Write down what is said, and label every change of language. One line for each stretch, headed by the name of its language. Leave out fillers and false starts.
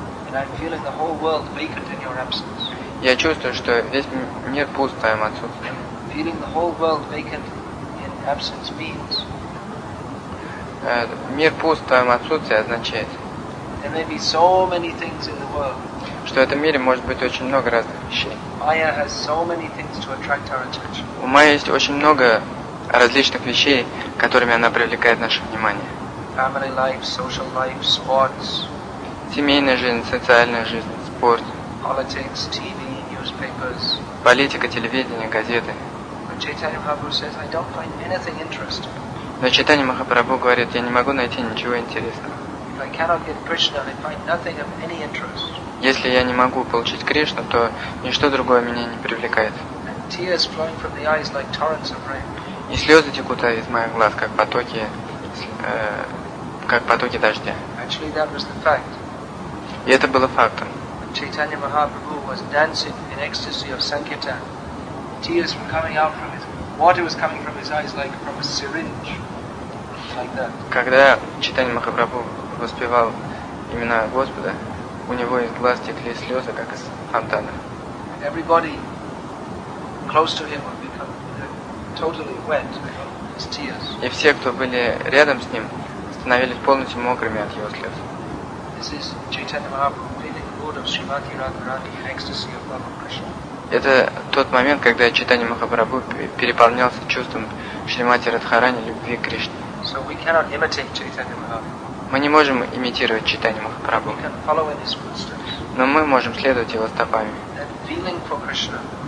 English: And I'm feeling the whole world vacant in your absence.
Russian: Я чувствую, что весь мир пуст в твоем отсутствии.
English: Feeling the whole world vacant in absence means.
Russian: Мир пуст в твоем отсутствии означает,
English: there may be so many things in the world.
Russian: Что в этом мире может быть очень много разных вещей.
English: Maya has so many things to attract our attention.
Russian: У Майи есть очень много различных вещей, которыми она привлекает наше внимание.
English: Family life, social life, sports.
Russian: Семейная жизнь, социальная жизнь, спорт.
English: Politics, TV, newspapers.
Russian: Политика, телевидение, газеты.
English: Chaitanya Mahaprabhu says, I don't find anything interesting.
Russian: Но Чайтанья Махапрабху говорит, я не могу найти ничего интересного.
English: If I cannot get Krishna, I find nothing of any interest.
Russian: Если я не могу получить Кришну, то ничто другое меня не привлекает.
English: And tears flowing from the eyes like torrents of rain.
Russian: И слезы текут из моих глаз, как потоки дождя.
English: Actually, that was the fact.
Russian: И это было фактом.
English: Chaitanya Mahaprabhu was dancing in ecstasy of sankirtan. Tears were coming out from his, water was coming from his eyes like from a syringe, like that.
Russian: Когда Чайтанья Махапрабху воспевал имена Господа, у него из глаз текли слезы, как из фонтана.
English: Everybody close to him would become totally wet from his tears.
Russian: И все, кто были рядом с ним, становились полностью мокрыми от его слез.
English: This is Chaitanya Mahaprabhu feeling the mood of Srimati Radharani in ecstasy of love of Krishna.
Russian: Это тот момент, когда Чайтанья Махапрабху переполнялся чувством Шримати Радхарани, любви к Кришне.
English: So we cannot imitate Chaitanya Mahaprabhu.
Russian: Мы не можем имитировать Чайтанью Махапрабху.
English: We can follow in his footsteps.
Russian: Но мы можем следовать его стопами.
English: That feeling for Krishna.